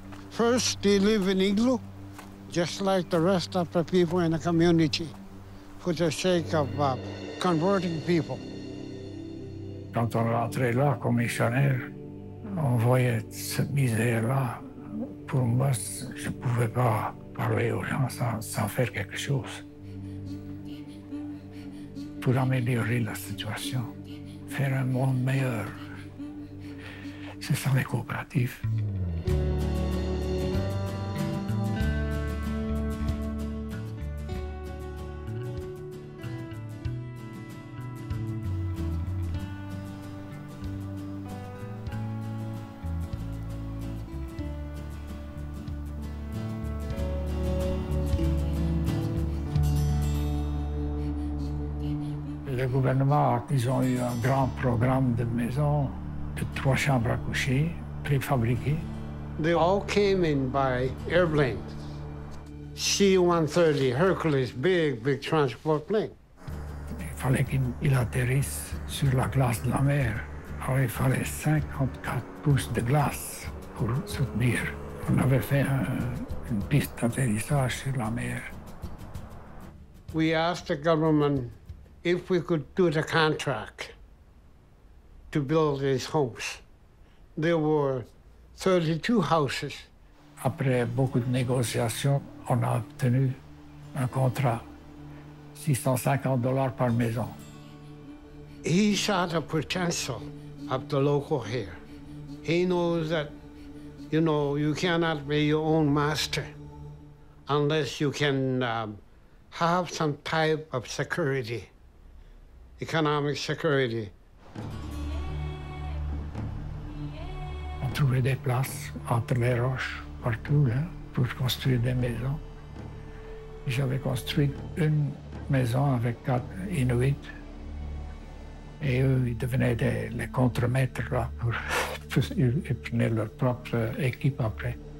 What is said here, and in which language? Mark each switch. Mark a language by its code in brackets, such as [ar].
[en] First, they live in igloo, just like the rest of the people in the community, for the sake of converting people. When we were there as missionaries, we saw this misery. For me, I couldn't [fr] parler aux gens sans faire quelque chose pour améliorer la situation, faire un monde meilleur. C'est ça les coopératives. le gouvernement, ils ont eu un grand programme de maisons, de 3 chambres à coucher, préfabriquées. [en] They all came in by airplane. C-130, Hercules, big transport plane. [fr] Il fallait qu'il atterrisse sur la glace de la mer. Alors, il fallait 54 pouces de glace pour soutenir. On avait fait une piste d'atterrissage sur la mer. [en] We asked the government if we could do the contract to build these homes. There were 32 houses. [fr] Après beaucoup de négociations, on a obtenu un contrat, $650 par maison. [en] He saw the potential of the local here. He knows that, you know, you cannot be your own master unless you can have some type of security, economic security. [fr] On trouvait des places entre les roches partout là, pour construire des maisons. J'avais construit une maison avec 4 Inuits. Et eux, ils devenaient les contremaîtres là, ils prenaient leur propre équipe après.